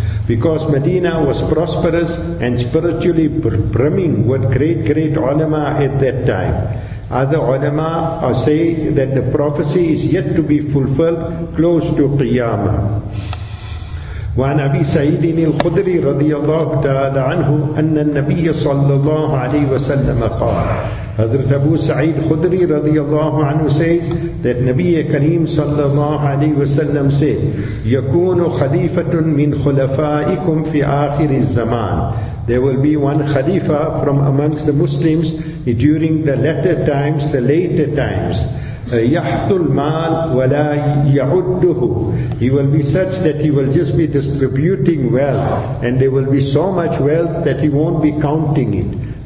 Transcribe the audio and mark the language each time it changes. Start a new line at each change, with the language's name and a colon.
English: Because Medina was prosperous and spiritually brimming with great ulama at that time. Other ulama say that the prophecy is yet to be fulfilled close to Qiyamah.
Arabic: وعن أبي سعيد الخدري رضي الله تعالى عنه أن النبي صلى الله عليه وسلم قال. حضرت أبو سعيد الخدري رضي الله عنه
English: says that
Arabic: نبي كريم صلى الله عليه وسلم
English: said,
Arabic: يكون خليفة من خلفائكم في آخر الزمان.
English: There will be one khalifa from amongst the Muslims during the latter times, the later times.
Arabic: يَحْتُ الْمَالِ وَلَا يَعُدُّهُ.
English: He will be such that he will just be distributing wealth, and there will be so much wealth that he won't be counting it.